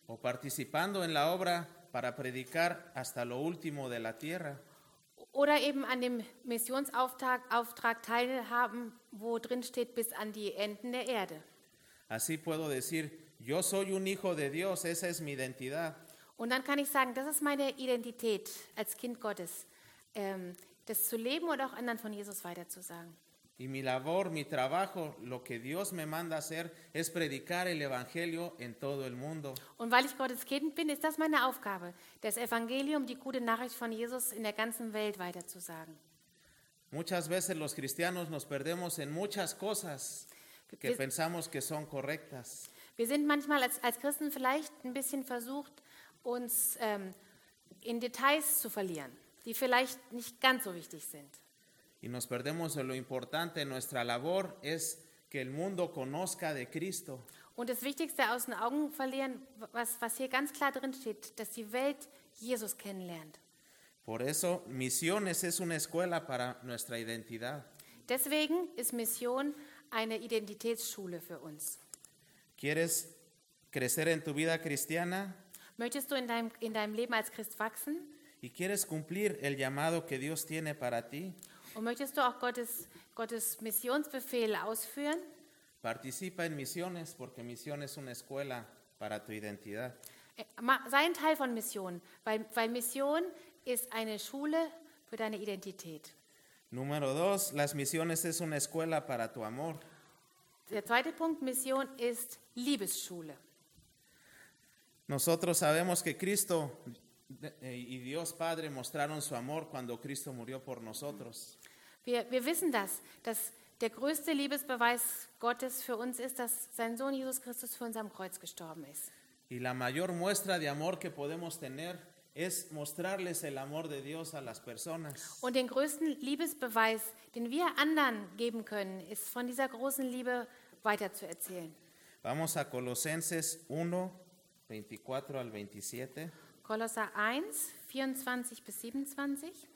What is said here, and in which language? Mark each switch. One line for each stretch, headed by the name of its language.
Spanish: O participando en la obra para predicar hasta lo último de la tierra.
German: Oder eben an dem Missionsauftrag teilhaben, wo drin steht, bis an die Enden der Erde.
Spanish: Así puedo decir, yo soy un hijo de Dios, esa es mi identidad.
German: Und dann kann ich sagen, das ist meine Identität als Kind Gottes, das zu leben oder auch anderen von Jesus weiterzusagen.
Spanish: Y mi labor, mi trabajo, lo que Dios me manda hacer es predicar el evangelio en todo el mundo.
German: Und weil ich Gottes Kind bin, ist das meine Aufgabe, das Evangelium, die gute Nachricht von Jesus in der ganzen Welt weiterzusagen.
Spanish: Muchas veces los cristianos nos perdemos en muchas cosas que pensamos que son correctas.
German: Wir sind manchmal als Christen vielleicht ein bisschen versucht, uns in Details zu verlieren, die vielleicht nicht ganz so wichtig sind.
Spanish: Y nos perdemos de lo importante. Nuestra labor es que el mundo conozca de Cristo.
German: Und das Wichtigste aus den Augen verlieren, was hier ganz klar drin steht, dass die Welt Jesus kennenlernt.
Spanish: Por eso, Misiones es una escuela para nuestra identidad.
German: Deswegen ist Mission eine Identitätsschule für uns.
Spanish: ¿Quieres crecer en tu vida cristiana?
German: Möchtest du in deinem Leben als Christ wachsen?
Spanish: ¿Y quieres cumplir el llamado que Dios tiene para ti?
German: Und möchtest du auch Gottes Missionsbefehl ausführen?
Spanish: Participa en misiones, porque misión es una escuela para tu identidad.
German: Sei ein Teil von Mission, weil Mission ist eine Schule für deine Identität.
Spanish: Número dos, las misiones es una escuela para tu amor.
German: Der zweite Punkt, Mission ist Liebesschule.
Spanish: Nosotros sabemos que Cristo y Dios Padre mostraron su amor cuando Cristo murió por nosotros.
German: Wir wissen das, dass der größte Liebesbeweis Gottes für uns ist, dass sein Sohn Jesus Christus für uns am Kreuz gestorben ist.
Spanish: Y la mayor muestra de amor que podemos tener es mostrarles el amor de Dios a las personas.
German: Und den größten Liebesbeweis, den wir anderen geben können, ist von dieser großen Liebe weiterzuerzählen.
Spanish: Vamos a Colosenses 1, 24 al 27.
German: Kolosser 1, 24 bis 27.